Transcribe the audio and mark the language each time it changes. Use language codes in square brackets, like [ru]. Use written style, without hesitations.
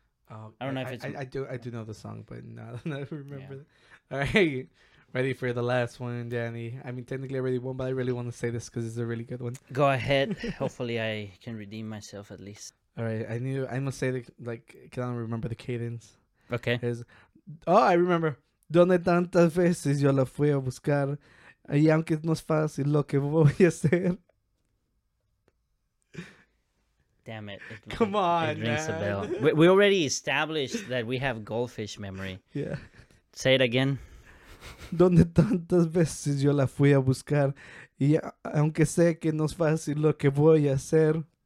[en] Oh, I don't know if it's I do know the song, but no, I don't remember. Yeah. Alright. Ready for the last one, Danny. I mean technically I already won, but I really want to say this because it's a really good one. Go ahead. Hopefully I can redeem myself at least. Alright, I must say because I don't remember the cadence. Okay. I remember. [es] Donde tantas veces yo la fui a buscar. Y aunque no es fácil lo que voy a hacer. [en] Damn it. Come on, it rings man. A bell. We already established that we have goldfish memory. Yeah. Say it again. [es] Donde tantas veces yo la fui a buscar. Y aunque sé que no es fácil lo que voy a hacer.